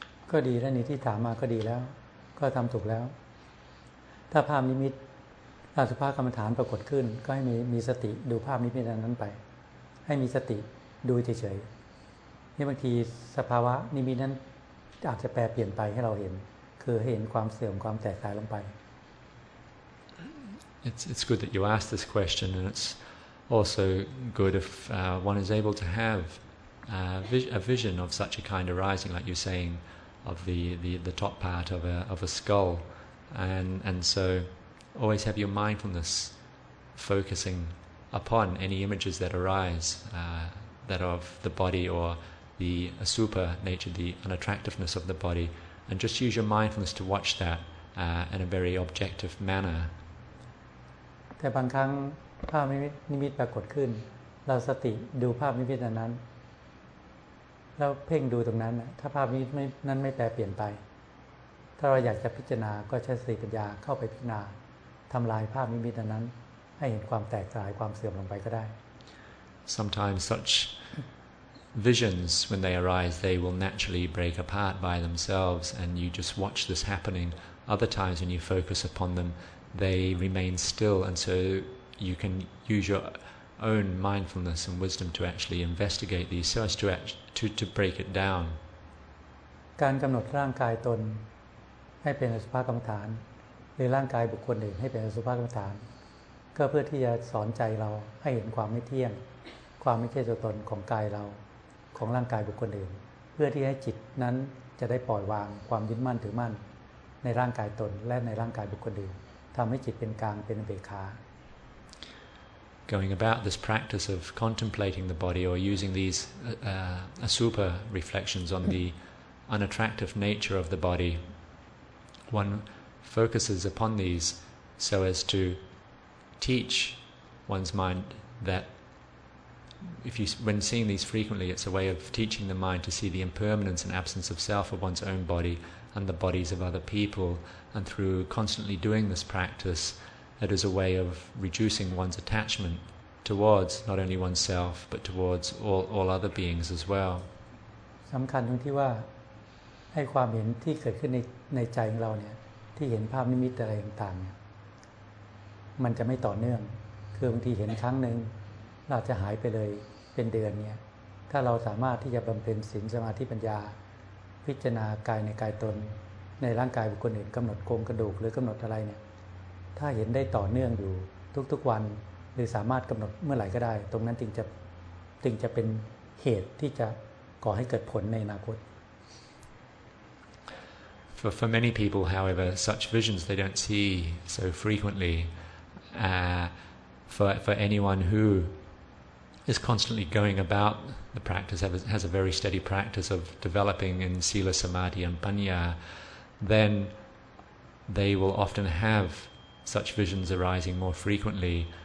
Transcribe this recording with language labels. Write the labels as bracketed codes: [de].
[th] ก็ดีท่านนี้ที่ถามมาก็ดีแล้วก็ทำถูกแล้วถ้าภาพนิมิตอสุภกรรมฐานปรากฏขึ้นก็ให้มีสติดูภาพนิมิตนั้นไปให้มีสติดูเฉยๆนี่บางทีสภาวะนิมิตนั้นอาจจะแปรเปลี่ยนไปให้เราเห็นคือเห็นความเสื่อมความแตกสลายลงไป [en] It's good that you asked this question and it's also good if one is able to have a vision of such a kind arising like you're saying of the top part of a skull and soalways have your mindfulness focusing upon any images that arise that of the body or the asupa nature, the unattractiveness of the body and just use your mindfulness to watch that in a very objective manner [th] แต่บางครั้งภาพนิมิตปรากฏขึ้นเราสติดูภาพนิมิตนั้นแล้วเพ่งดูตรงนั้นถ้าภาพนิมิตนั้นไม่แปรเปลี่ยนไปถ้าเราอยากจะพิจารณาก็ใช้สติปัญญาเข้าไปพิจารณาทำลายภาพนิมิตนั้นให้เห็นความแตกสลายความเสื่อมลงไปก็ได้ [en] Sometimes such visions when they arise they will naturally break apart by themselves and you just watch this happening other times when you focus upon them they remain still and so you can use your own mindfulness and wisdom to actually investigate these so as to break it down [th] การกำหนดร่างกายตนให้เป็นอสุภกรรมฐานหรือร่างกายบุคคลอื่นให้เป็นอสุภกรรมฐานก็เพื่อที่จะสอนใจเราให้เห็นความไม่เที่ยงความไม่ใช่ตัวตนของกายเราของร่างกายบุคคลอื่นเพื่อที่ให้จิตนั้นจะได้ปล่อยวางความยึดมั่นถือมั่นในร่างกายตนและในร่างกายบุคคลอื่นทำให้จิตเป็นกลางเป็นอุเบกขา [en] Going about this practice of contemplating the body or using these asupa reflections on the unattractive nature of the body oneFocuses upon these so as to teach one's mind that when seeing these frequently, it's a way of teaching the mind to see the impermanence and absence of self of one's own body and the bodies of other people. And through constantly doing this practice, it is a way of reducing one's attachment towards not only oneself but towards all other beings as well. [th] สำคัญตรงที่ว่าให้ความเห็นที่เกิดขึ้นในใจของเราเนี่ยที่เห็นภาพนิมิตอะไรต่างๆมันจะไม่ต่อเนื่องคือบางทีเห็นครั้งหนึ่งเราจะหายไปเลยเป็นเดือนเนี่ยถ้าเราสามารถที่จะบำเพ็ญศีลสมาธิปัญญา พิจารณากายในกายตนในร่างกายบุคคลอื่นกำหนดโครงกระดูกหรือกำหนดอะไรเนี่ยถ้าเห็นได้ต่อเนื่องอยู่ทุกๆวันหรือสามารถกำหนดเมื่อไหร่ก็ได้ตรงนั้นจึงจะเป็นเหตุที่จะก่อให้เกิดผลในอนาคต [en] For many people, however, such visions they don't see so frequently. For anyone who is constantly going about the practice, has a very steady practice of developing in sila, samadhi, and panya, then they will often have such visions arising more frequently.